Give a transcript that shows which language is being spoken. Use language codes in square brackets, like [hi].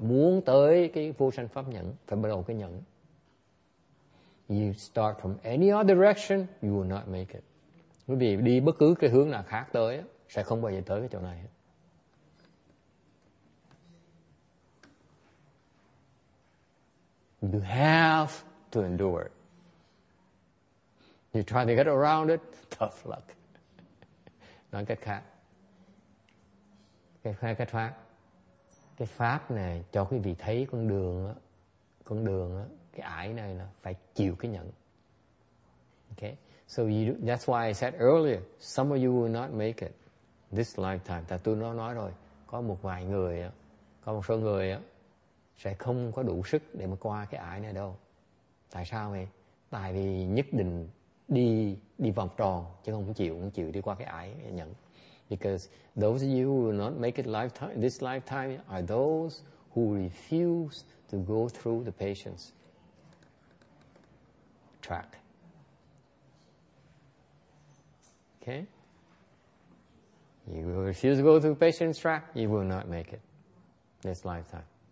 [vi] Muốn tới cái vô sanh pháp nhẫn phải bắt đầu cái nhẫn. [en] You start from any other direction, you will not make it. [vi] Bởi vì đi bất cứ cái hướng nào khác tới sẽ không bao giờ tới cái chỗ này. [en] You have to endure. You try to get around it, tough luck. [vi] Nói cách khác, cái pháp này cho quý vị thấy con đường á. Cái ải này là phải chịu cái nhẫn. [en] Okay, so that's why I said earlier, some of you will not make it this lifetime. [vi] Tại tôi nói rồi, có một số người sẽ không có đủ sức để mà qua cái ải này đâu. Tại sao vậy? Tại vì nhất định đi vòng tròn chứ không chịu đi qua cái ải nhẫn. [en] Because those of you who will not make it this lifetime are those who refuse to go through the patience. Okay? You will refuse to go through patience track, you will not make it this lifetime.